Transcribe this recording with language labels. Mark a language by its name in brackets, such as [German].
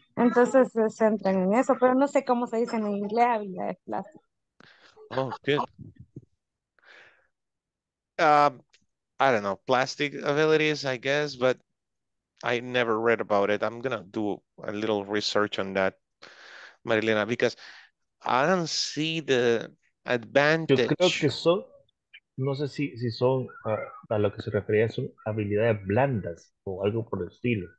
[Spanish] Entonces se centran en eso, pero no sé cómo se dice en inglés habilidades plásticas. [English] Oh, good. I don't know, plastic abilities, I guess, but I never read about it. I'm gonna do a little research on that, Marilena, because I don't see the advantage. [Spanish] Yo creo que son, no sé si, si son a lo que se refería, son habilidades blandas o algo por el estilo.